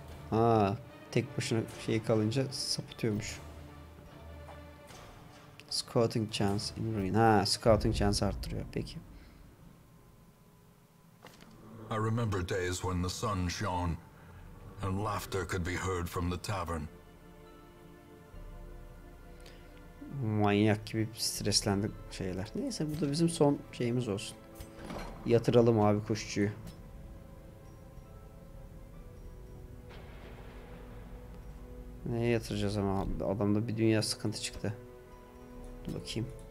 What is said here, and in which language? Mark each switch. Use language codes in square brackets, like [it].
[tr] Ha, tek başına şey kalınca sapıtıyormuş. [en] Scouting chance in ruin. [tr] Ha, scouting chance arttırıyor. Peki. [en] I remember days when the sun shone and laughter could be heard from the tavern. [tr] Manyak gibi streslendik şeyler. Neyse, bu da bizim son şeyimiz olsun. Yatıralım abi kuşçuyu. Neye yatıracağız ama abi? Adamda bir dünya sıkıntı çıktı. Dur bakayım.